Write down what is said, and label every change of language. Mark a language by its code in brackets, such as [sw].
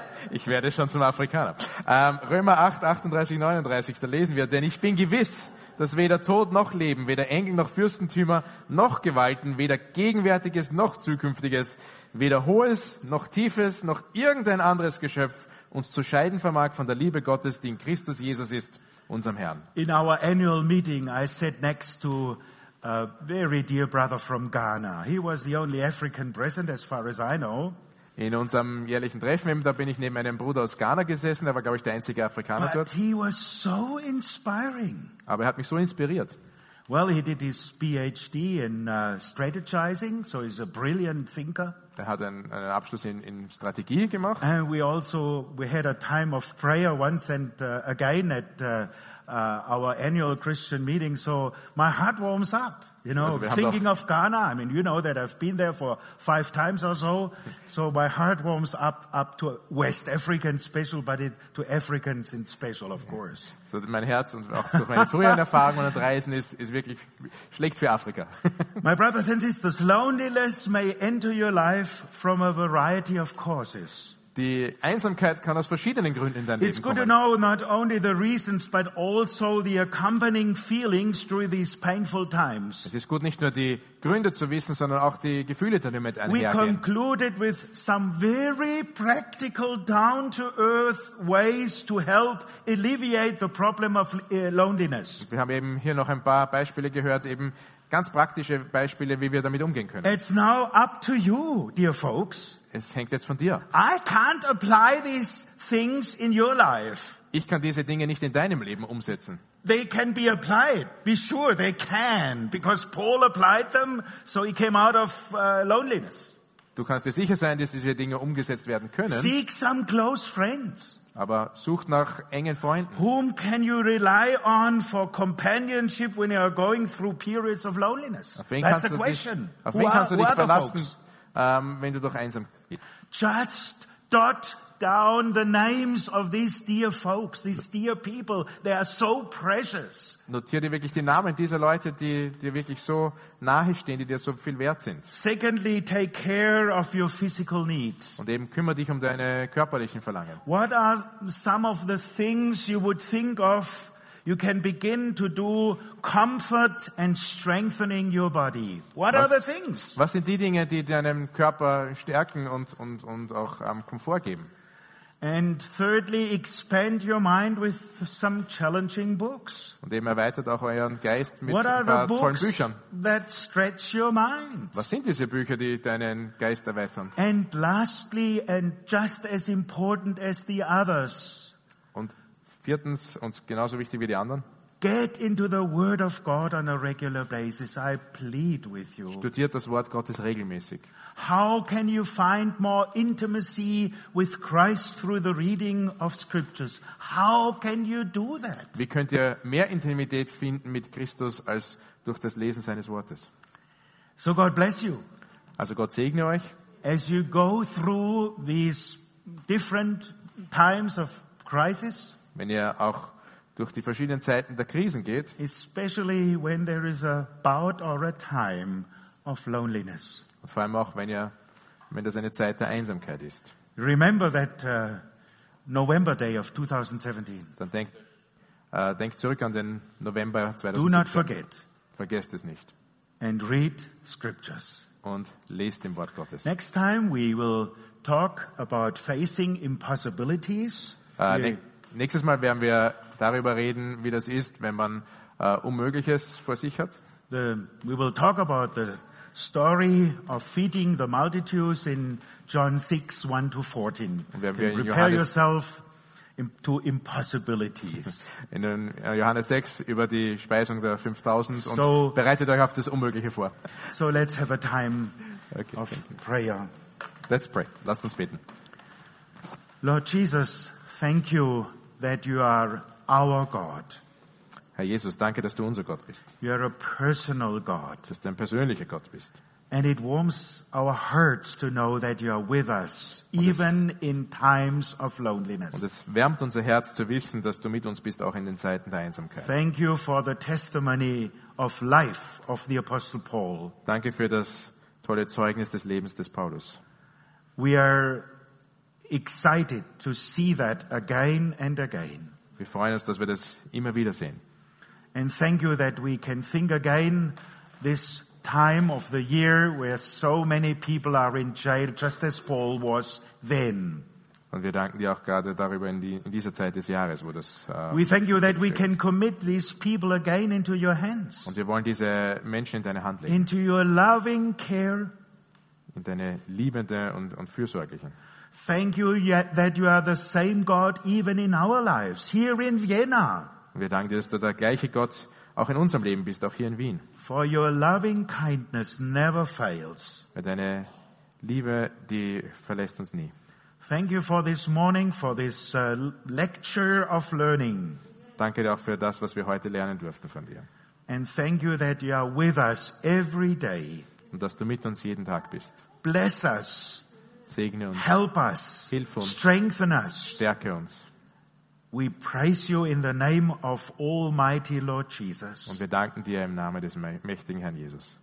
[de] Ich werde schon zum Afrikaner. Römer 8, 38, 39, da lesen wir, denn ich bin gewiss, dass weder Tod noch Leben, weder Engel noch Fürstentümer noch Gewalten, weder Gegenwärtiges noch Zukünftiges, weder Hohes noch Tiefes noch irgendein anderes Geschöpf uns zu scheiden vermag von der Liebe Gottes, die in Christus Jesus ist, unserem Herrn. [en] In our annual meeting I sat next to a very dear brother from Ghana. He was the only African present as far as I know. [de] In unserem jährlichen Treffen, da bin ich neben einem Bruder aus Ghana gesessen, er war, glaube ich, der einzige Afrikaner [en] But [de] dort. [en] He was so inspiring. [de] Aber er hat mich so inspiriert. [en] Well, he did his PhD in strategizing, so he's a brilliant thinker. [de] Er hat einen Abschluss in Strategie gemacht. [en] And we had a time of prayer once and again at our annual Christian meeting, so my heart warms up. You know, also thinking of Ghana, I mean, you know that I've been there for 5 times or so. So my heart warms up to West African special, but to Africans in special, of course. [de] So mein Herz und auch durch meine früheren Erfahrungen und Reisen ist wirklich schlecht für Afrika. [en] My brothers and sisters, loneliness may enter your life from a variety of causes. [de] Die Einsamkeit kann aus verschiedenen Gründen in dein [en] It's [de] Leben [en] good [de] kommen. [en] To know not only the reasons, but also the accompanying feelings through these painful times. [de] Es ist gut, nicht nur die Gründe zu wissen, sondern auch die Gefühle damit einhergehen. [en] We concluded with some very practical, down-to-earth ways to help alleviate the problem of loneliness. [de] Wir haben eben hier noch ein paar Beispiele gehört, eben ganz praktische Beispiele, wie wir damit umgehen können. [en] It's now up to you, dear folks. [de] Es hängt jetzt von dir. [en] I can't apply these things in your life. [de] Ich kann diese Dinge nicht in deinem Leben umsetzen. [en] They can be applied. Be sure they can, because Paul applied them, so he came out of loneliness. [de] Du kannst dir sicher sein, dass diese Dinge umgesetzt werden können. [en] Seek some close friends. [de] Aber sucht nach engen Freunden. [en] Whom can you rely on for companionship when you are going through periods of loneliness? That's the question. [de] Auf wen kannst du dich verlassen? Wenn du doch einsam bist. [en] Just dot down the names of these dear folks, these dear people. They are so precious. [de] Notier dir wirklich die Namen dieser Leute, die dir wirklich so nahe stehen, die dir so viel wert sind. [en] Secondly, take care of your physical needs. [de] Und eben kümmere dich um deine körperlichen Verlangen. [en] What are some of the things you would think of? You can begin to do comfort and strengthening your body. What are the things? [de] Was sind die Dinge, die deinem Körper stärken und auch Komfort geben? [en] And thirdly, expand your mind with some challenging books. [de] Und eben erweitert auch euren Geist mit tollen Büchern. [en] What are the books that stretch your mind? [de] Was sind diese Bücher, die deinen Geist erweitern? [en] And lastly, and just as important as the others. [de] Und viertens und genauso wichtig wie die anderen. [en] Get into the Word of God on a regular basis. I plead with you. [de] Studiert das Wort Gottes regelmäßig. [en] How can you find more intimacy with Christ through the reading of scriptures? How can you do that? [de] Wie könnt ihr mehr Intimität finden mit Christus als durch das Lesen seines Wortes? [en] So God bless you. [de] Also Gott segne euch. [en] As you go through these different times of crisis, [de] wenn ihr auch durch die verschiedenen Zeiten der Krisen geht, [en] especially when there is a bout or a time of loneliness. [de] Und vor allem auch, wenn das eine Zeit der Einsamkeit ist. [en] Remember that November day of 2017. [de] Dann denk zurück an den November 2017. [en] Do not forget. [de] Vergesst es nicht. [en] And read scriptures. [de] Und lest im Wort Gottes. [en] Next time we will talk about facing impossibilities. [de] Nächstes Mal werden wir darüber reden, wie das ist, wenn man Unmögliches vor sich hat. [en] We will talk about the story of feeding the multitudes in John 6:1-14. Prepare yourself to impossibilities. [de] In Johannes 6 über die Speisung der 5000 und bereitet euch auf das Unmögliche vor. [en] So let's have a time of prayer. Let's pray. [de] Lasst uns beten. [en] Lord Jesus, thank you that you are our God. [de] Herr Jesus, danke, dass du unser Gott bist. [en] You are a personal God. [de] Dass du ein persönlicher Gott bist. [en] And it warms our hearts to know that you are with us, even in times of loneliness. [de] Und es wärmt unser Herz zu wissen, dass du mit uns bist, auch in den Zeiten der Einsamkeit. [en] Thank you for the testimony of life of the Apostle Paul. [de] Danke für das tolle Zeugnis des Lebens des Paulus. [en] We are excited to see that again and again. [de] Wir freuen uns, dass wir das immer wieder sehen. [en] And thank you that we can think again this time of the year where so many people are in jail, just as Paul was then. [de] Und wir danken dir auch gerade darüber in dieser Zeit des Jahres, wo das. [en] We thank you that we can commit these people again into your hands. [de] Und wir wollen diese Menschen in deine Hand legen. [en] Into your loving care. [de] In deine liebende und fürsorgliche. [en] Thank you that you are the same God even in our lives, here in Vienna. [de] Wir danken dir, dass du der gleiche Gott auch in unserem Leben bist, auch hier in Wien. [en] For your loving kindness never fails. [de] Deine Liebe, die verlässt uns nie. [en] Thank you for this morning, for this lecture of learning. [de] Danke dir auch für das, was wir heute lernen durften von dir. [en] And thank you that you are with us every day. [de] Und dass du mit uns jeden Tag bist. [en] Bless us. [de] Segne uns. [en] Help us. [de] Hilf uns. [en] Strengthen us. [de] Stärke uns. [en] We praise you in the name of Almighty Lord Jesus. [de] Und wir danken dir im Namen des mächtigen Herrn Jesus.